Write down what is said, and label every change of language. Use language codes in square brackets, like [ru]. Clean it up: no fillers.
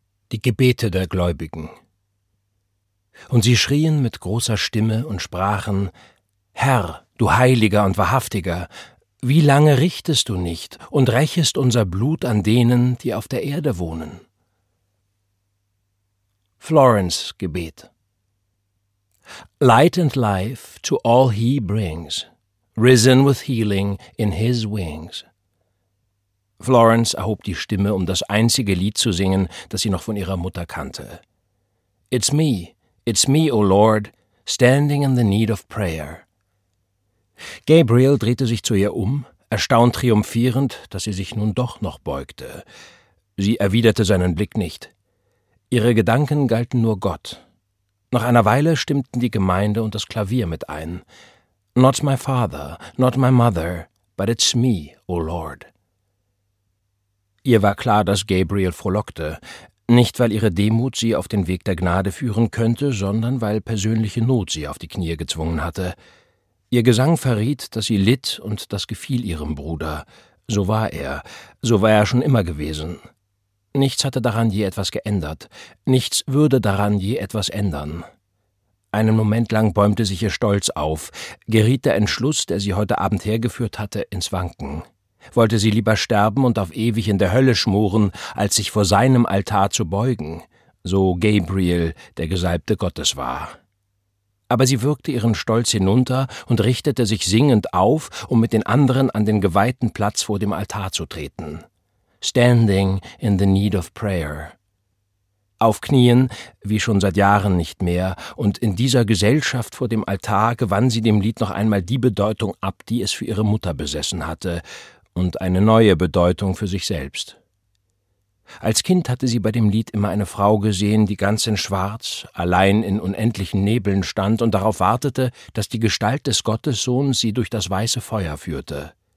[de] Die Gebete der Gläubigen. Und sie schrien mit großer Stimme und sprachen: Herr, du Heiliger und Wahrhaftiger, wie lange richtest du nicht und rächest unser Blut an denen, die auf der Erde wohnen? Florence Gebet. [en] Light and life to all he brings, risen with healing in his wings. [de] Florence erhob die Stimme, um das einzige Lied zu singen, das sie noch von ihrer Mutter kannte. [en] It's me, O Lord, standing in the need of prayer. [de] Gabriel drehte sich zu ihr um, erstaunt triumphierend, dass sie sich nun doch noch beugte. Sie erwiderte seinen Blick nicht. Ihre Gedanken galten nur Gott. Nach einer Weile stimmten die Gemeinde und das Klavier mit ein. [en] Not my father, not my mother, but it's me, O Lord. [de] Ihr war klar, dass Gabriel frohlockte. Nicht, weil ihre Demut sie auf den Weg der Gnade führen könnte, sondern weil persönliche Not sie auf die Knie gezwungen hatte. Ihr Gesang verriet, dass sie litt und das gefiel ihrem Bruder. So war er schon immer gewesen. Nichts hatte daran je etwas geändert. Nichts würde daran je etwas ändern. Einen Moment lang bäumte sich ihr Stolz auf, geriet der Entschluss, der sie heute Abend hergeführt hatte, ins Wanken. Wollte sie lieber sterben und auf ewig in der Hölle schmoren, als sich vor seinem Altar zu beugen, so Gabriel, der Gesalbte Gottes, war. Aber sie würgte ihren Stolz hinunter und richtete sich singend auf, um mit den anderen an den geweihten Platz vor dem Altar zu treten. [en] Standing in the need of prayer. [de] Auf Knien, wie schon seit Jahren nicht mehr, und in dieser Gesellschaft vor dem Altar gewann sie dem Lied noch einmal die Bedeutung ab, die es für ihre Mutter besessen hatte, und eine neue Bedeutung für sich selbst. Als Kind hatte sie bei dem Lied immer eine Frau gesehen, die ganz in Schwarz, allein in unendlichen Nebeln stand und darauf wartete, dass die Gestalt des Gottessohns sie durch das weiße Feuer führte.